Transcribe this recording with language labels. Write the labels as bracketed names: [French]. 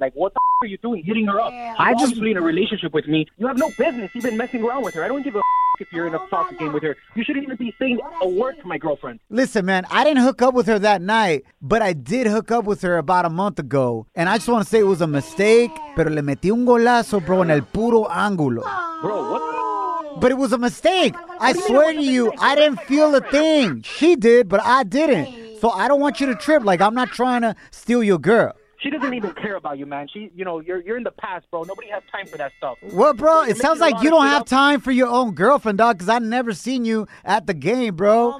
[English] Like, what the f*** are you doing hitting her up? I just obviously in a relationship with me. You have no business even messing around with her. I don't give a f*** if you're in a soccer game with her. You shouldn't even be saying a word to my girlfriend. Listen, man, I didn't hook up with her that night, but I did hook up with her about a month ago. And I just want to say it was a mistake. [Spanish] Pero le metí un golazo, bro, en el puro ángulo. [English] Bro, what the? But it was a mistake. I swear to you, I didn't feel a thing. She did, but I didn't. So I don't want you to trip. Like, I'm not trying to steal your girl. She doesn't even care about you, man. She, you know, you're in the past, bro. Nobody has time for that stuff. Well, bro, it sounds like you don't have time for your own girlfriend, dog, because I've never seen you at the game, bro.